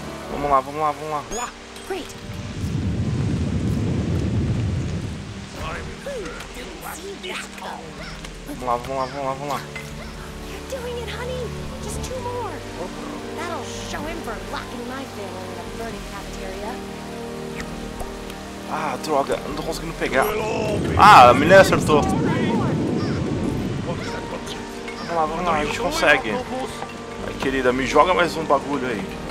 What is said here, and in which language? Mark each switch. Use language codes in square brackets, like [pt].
[pt] Vamos lá, vamos lá, vamos lá. Vamos lá, vamos lá, vamos lá, vamos lá. [en] You're doing it, honey. Just two more. That'll show him for locking my family in a burning cafeteria. [pt] Ah, droga, não tô conseguindo pegar. Ah, a mulher acertou. Vamos lá, vamos lá, a gente consegue. Ai, querida, me joga mais um bagulho aí.